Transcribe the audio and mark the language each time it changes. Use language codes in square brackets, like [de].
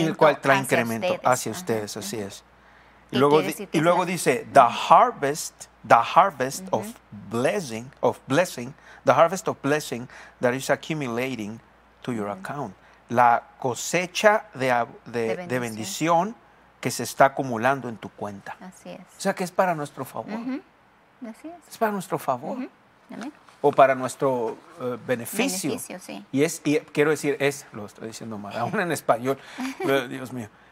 [es] El cual trae incremento hacia ustedes, uh-huh. así es. Y luego dice, [en] the harvest [es] mm-hmm. [en] of blessing, the harvest of blessing that is accumulating to your mm-hmm. account. [es] La cosecha de bendición que se está acumulando en tu cuenta. Así es. O sea, que es para nuestro favor. Mm-hmm. Así es. Es para nuestro favor. Mm-hmm. O para nuestro beneficio. Beneficio, sí. Y quiero decir, lo estoy diciendo mal, aún en español, Dios mío.